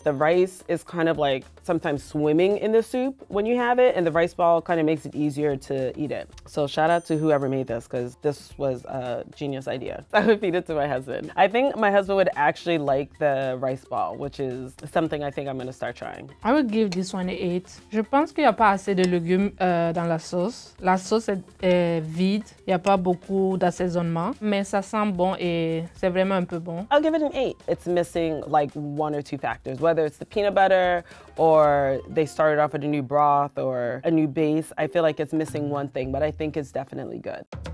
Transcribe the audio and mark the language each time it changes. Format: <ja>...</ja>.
<en>The rice is kind of like sometimes swimming in the soup when you have it, and the rice ball kind of makes it easier to eat it. So shout out to whoever made this, because this was a genius idea. I would feed it to my husband. I think my husband would actually like the rice ball, which is something I think I'm gonna start trying. I would give this one an 8.</en> <fr>Je pense qu'il n'y a pas assez de légumes dans la sauce. La sauce est vide, il n'y a pas beaucoup d'assaisonnement, mais ça sent bon et c'est vraiment un peu bon.</fr> <en>I'll give it an 8. It's missing like one or two factors, whether it's the peanut butter or they started off with a new broth or a new base. I feel like it's missing one thing, but I think it's definitely good.</en>